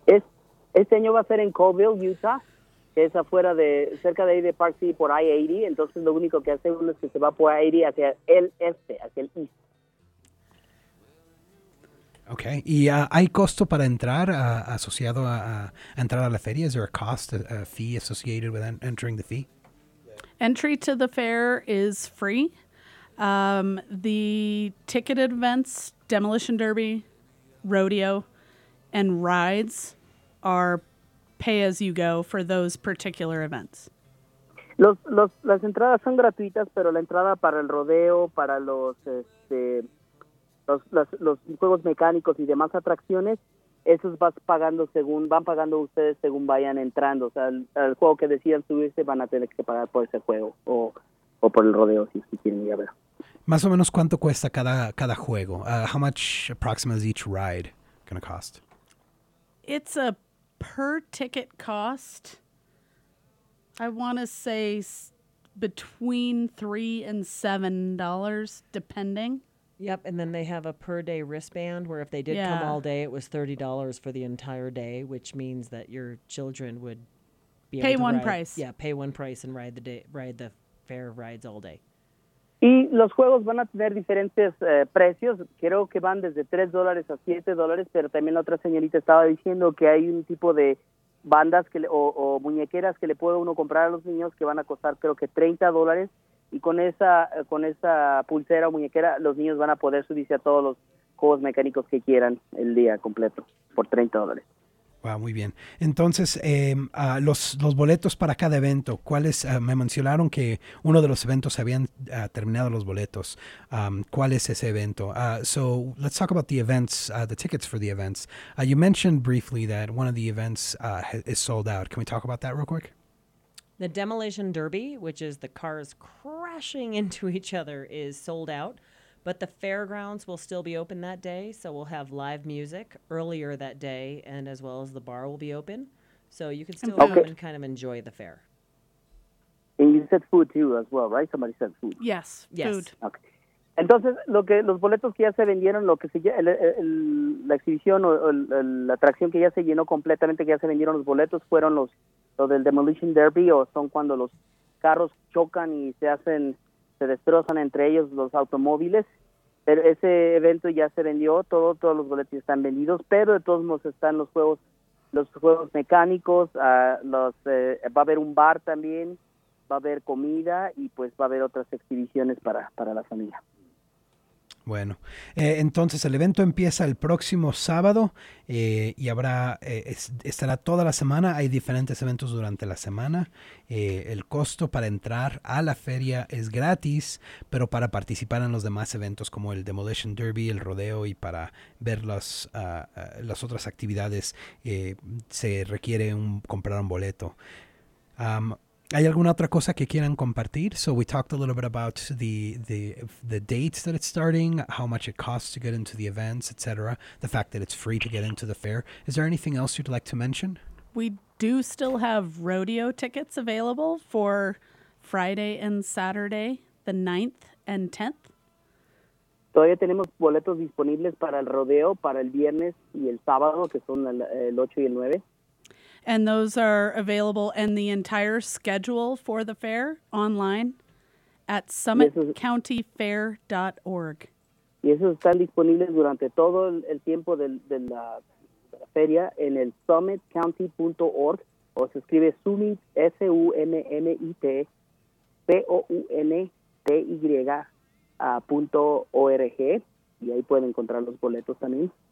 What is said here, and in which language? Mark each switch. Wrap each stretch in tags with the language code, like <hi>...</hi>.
<es>Este año va a ser en Colville, Utah, que es afuera de, cerca de ahí de Park City por I-80. Entonces lo único que hace uno es que se va por I-80 hacia el este, hacia el east.</es> <en>Okay.</en> <es>¿Y hay costo para entrar asociado a entrar a la feria?</es> <en>Is there a cost, a fee associated with entering the fee? Entry to the fair is free. The ticketed events, Demolition Derby, Rodeo, and rides are pay-as-you-go for those particular events.</en> <es>Las entradas son gratuitas, pero la entrada para el rodeo, para los juegos mecánicos y demás atracciones, esos van pagando ustedes según vayan entrando. O sea, el juego que decidan subirse van a tener que pagar por ese juego o por el rodeo, si quieren ir a ver. Más o menos, ¿cuánto cuesta cada juego?</es> <en>How much approximately is each ride going to cost? It's a per ticket cost. I want to say between $3 and $7, depending. Yep, and then they have a per day wristband where if they did come all day, it was $30 for the entire day, which means that your children would be pay able to one ride, price. Yeah, pay one price and ride the fair rides all day.</en> <es>Y los juegos van a tener diferentes precios, creo que van desde $3 a $7, pero también la otra señorita estaba diciendo que hay un tipo de bandas o muñequeras que le puede uno comprar a los niños que van a costar creo que $30, y con esa pulsera o muñequera los niños van a poder subirse a todos los juegos mecánicos que quieran el día completo por $30. Wow, muy bien. Entonces, los boletos para cada evento, ¿cuáles? Me mencionaron que uno de los eventos habían terminado los boletos. ¿Cuál es ese evento?</es> <en>So let's talk about the events, the tickets for the events. You mentioned briefly that one of the events is sold out. Can we talk about that real quick? The Demolition Derby, which is the cars crashing into each other, is sold out. But the fairgrounds will still be open that day, so we'll have live music earlier that day, and as well as the bar will be open. So you can still come and kind of enjoy the fair. And you said food too as well, right? Somebody said food. Yes, food. Okay.</en> <es>Entonces, los boletos que ya se vendieron, la exhibición o la atracción que ya se llenó completamente, que ya se vendieron los boletos, fueron los del Demolition Derby, o son cuando los carros chocan y se destrozan entre ellos los automóviles, pero ese evento ya se vendió, todos los boletos están vendidos, pero de todos modos están los juegos mecánicos, va a haber un bar también, va a haber comida y pues va a haber otras exhibiciones para la familia. Bueno, entonces el evento empieza el próximo sábado y estará toda la semana. Hay diferentes eventos durante la semana. El costo para entrar a la feria es gratis, pero para participar en los demás eventos como el Demolition Derby, el rodeo y para ver las otras actividades se requiere comprar un boleto. ¿Hay alguna otra cosa que quieran compartir?</es> <en>So we talked a little bit about the dates that it's starting, how much it costs to get into the events, etc. The fact that it's free to get into the fair. Is there anything else you'd like to mention? We do still have rodeo tickets available for Friday and Saturday, the 9th and 10th.</en> <es>Todavía tenemos boletos disponibles para el rodeo para el viernes y el sábado, que son el 8 y el 9.</es> <en>And those are available and the entire schedule for the fair online at summitcountyfair.org.</en> <es>Y esos están disponibles durante todo el tiempo de la feria en el summitcounty.org, o se escribe Summit, Summit, ty.org y ahí pueden encontrar los boletos también.</es>